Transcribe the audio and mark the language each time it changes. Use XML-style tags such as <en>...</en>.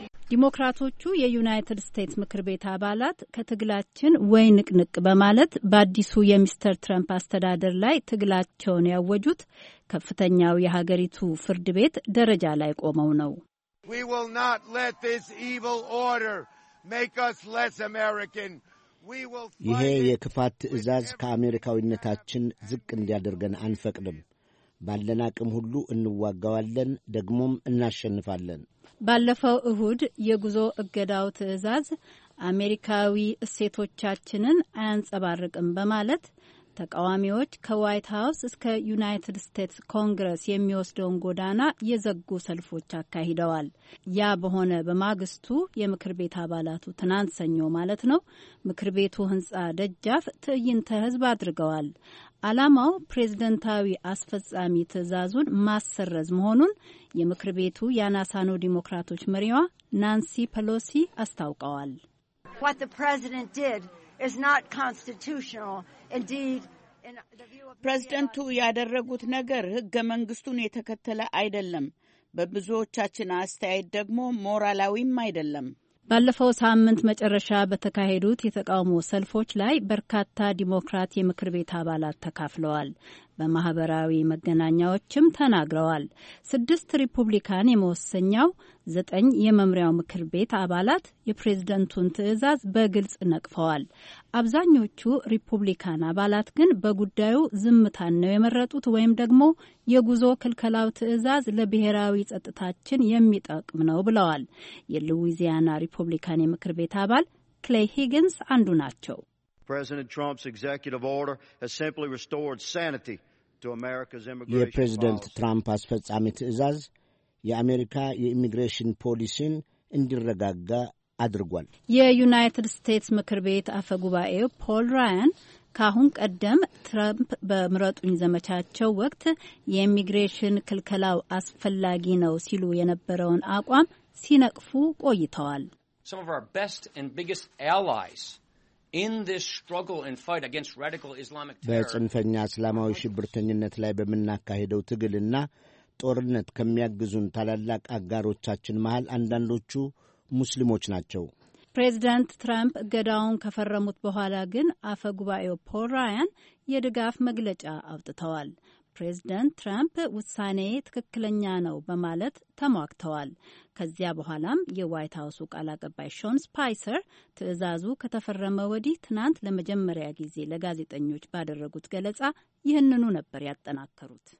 <am>ዲሞክራቶቹ የዩናይትድ ስቴትስ ምክር ቤት አባላት ከትግላችን ወይ ንቅንቅ በማለት በአዲሱ የሚስተር ትራምፕ አስተዳደር ላይ ትግላቸውን ያወጁት ከፍተኛው የሀገሪቱ ፍርድ ቤት ደረጃ ላይ ቆመው ነው።</am> <en>We will not let this evil order make us less American.</en> <am>ይሄ የክፋት ትዕዛዝ ከአሜሪካዊነታችን ዝቅ እንዲያደርገን አንፈቅድም። ባለን አቅም ሁሉ እንዋጋዋለን፣ ደግሞም እናሸንፋለን። ባለፈው እሁድ የጉዞ እገዳው ትዕዛዝ አሜሪካዊ እሴቶቻችንን አያንጸባርቅም በማለት ተቃዋሚዎች ከዋይት ሀውስ እስከ ዩናይትድ ስቴትስ ኮንግረስ የሚወስደውን ጎዳና የዘጉ ሰልፎች አካሂደዋል። ያ በሆነ በማግስቱ የምክር ቤት አባላቱ ትናንት ሰኞ ማለት ነው ምክር ቤቱ ሕንጻ ደጃፍ ትዕይንተ ሕዝብ አድርገዋል። ዓላማው ፕሬዝደንታዊ አስፈጻሚ ትዕዛዙን ማሰረዝ መሆኑን የምክር ቤቱ የአናሳኖ ዲሞክራቶች መሪዋ ናንሲ ፐሎሲ አስታውቀዋል።</am> <en>What the president did is not constitutional. Indeed, in the view of</en> <am>ፕሬዝደንቱ ያደረጉት ነገር ህገ መንግስቱን የተከተለ አይደለም። በብዙዎቻችን አስተያየት ደግሞ ሞራላዊም አይደለም። ባለፈው ሳምንት መጨረሻ በተካሄዱት የተቃውሞ ሰልፎች ላይ በርካታ ዲሞክራት የምክር ቤት አባላት ተካፍለዋል። በማህበራዊ መገናኛዎችም ተናግረዋል። 6 ሪፑብሊካን የመወሰኛው 9 የመምሪያው ምክር ቤት አባላት የፕሬዝደንቱን ትዕዛዝ በግልጽ ነቅፈዋል። አብዛኞቹ ሪፑብሊካን አባላት ግን በጉዳዩ ዝምታን ነው የመረጡት ወይም ደግሞ የጉዞ ክልከላው ትዕዛዝ ለብሔራዊ ጸጥታችን የሚጠቅም ነው ብለዋል። የሉዊዚያና ሪፑብሊካን የምክር ቤት አባል ክሌይ ሂግንስ አንዱ ናቸው።</am> <en>President Trump's executive order has simply restored sanity to America's immigration policy.</en> <am>የፕሬዝደንት ትራምፕ አስፈጻሚ ትዕዛዝ የአሜሪካ የኢሚግሬሽን ፖሊሲን እንዲረጋጋ አድርጓል። የዩናይትድ ስቴትስ ምክር ቤት አፈ ጉባኤው ፖል ራያን ካሁን ቀደም ትራምፕ በምረጡኝ ዘመቻቸው ወቅት የኢሚግሬሽን ክልከላው አስፈላጊ ነው ሲሉ የነበረውን አቋም ሲነቅፉ ቆይተዋል።</am> <en>Some of our best and biggest allies in this struggle and fight against radical islamic terror</en> <am>በጽንፈኛ እስላማዊ ሽብርተኝነት ላይ በመናካሄደው ትግልና ጦርነት ከመያግዙን ታላላቅ አጋሮቻችን መሃል አንዳንዶቹ ሙስሊሞች ናቸው። ፕሬዝዳንት ትራምፕ ገዳውን ከፈረሙት በኋላ ግን አፈ ጉባኤው ፖል ራያን የድጋፍ መግለጫ አውጥተዋል። ፕሬዝዳንት ትራምፕ ውሳኔ ትክክለኛ ነው በማለት ተሟግተዋል። ከዚያ በኋላም የዋይት ሀውስ ቃል አቀባይ ሾን ስፓይሰር ትዕዛዙ ከተፈረመ ወዲህ ትናንት ለመጀመሪያ ጊዜ ለጋዜጠኞች ባደረጉት ገለጻ ይህንኑ ነበር ያጠናከሩት።</am>